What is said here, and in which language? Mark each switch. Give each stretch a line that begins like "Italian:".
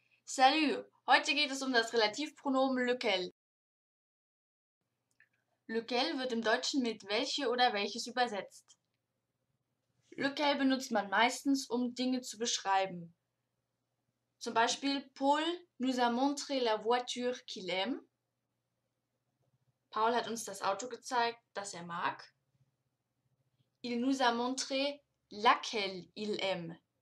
German: Salut, heute geht es um das Relativpronomen lequel. Lequel wird im Deutschen mit welche oder welches übersetzt. Lequel benutzt man meistens, um Dinge zu beschreiben. Zum Beispiel
French: Paul nous a montré la voiture qu'il aime.
German: Paul hat uns das Auto gezeigt, das er mag.
French: Il nous a montré laquelle il aime.